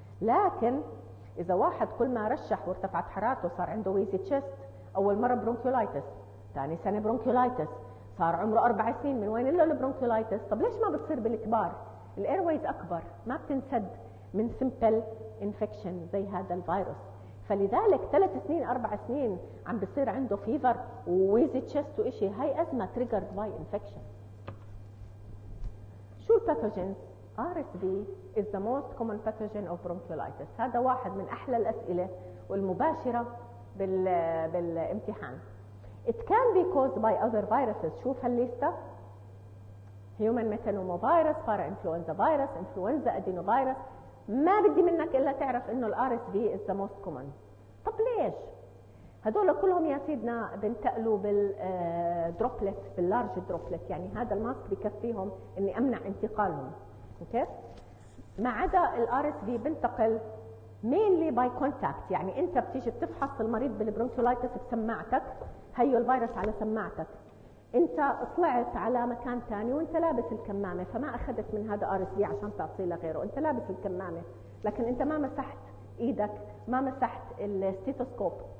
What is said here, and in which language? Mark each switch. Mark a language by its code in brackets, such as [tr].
[ar] لكن اذا واحد كل ما رشح وارتفعت حرارته صار عنده ويزي تشست، اول مره برونكيولايتس، ثاني سنه برونكيولايتس، صار عمره 4 سنين من وين له البرونكيولايتس. طب ليش ما بتصير بالكبار؟ الايرويز اكبر ما بتنسد من سمبل انفكشن زي هذا الفيروس. فلذلك 3 سنين 4 سنين عم بصير عنده فيفر وويزي تشست وإشي، هاي أزمة تريجرد باي انفكشن. شو الباثوجينز؟ [en] RSV is the most common pathogen of bronchiolitis. [ar] هذا واحد من أحلى الأسئلة والمباشرة بالامتحان. [en] It can be caused by other viruses. [ar] شوف هالليستة: [en] human metanomovirus, parainfluenza virus, influenza adenovirus. [ar] ما بدي منك إلا تعرف إنه [en] RSV is the most common. [ar] طب ليش؟ هذول كلهم يا سيدنا بنتقلوا بالدروبلت باللارج دروبلت، يعني هذا الماسك بكفيهم اني امنع انتقالهم. اوكي، ما عدا الار اس في بنتقل [en] mainly by contact، [ar] يعني انت بتيجي بتفحص المريض بالبرونكيولايتس بسماعتك، هيو الفيروس على سماعتك، انت طلعت على مكان ثاني وانت لابس الكمامه فما اخذت من هذا ار اس في عشان تعطيه لغيره، انت لابس الكمامه لكن انت ما مسحت ايدك، ما مسحت الستيثوسكوب.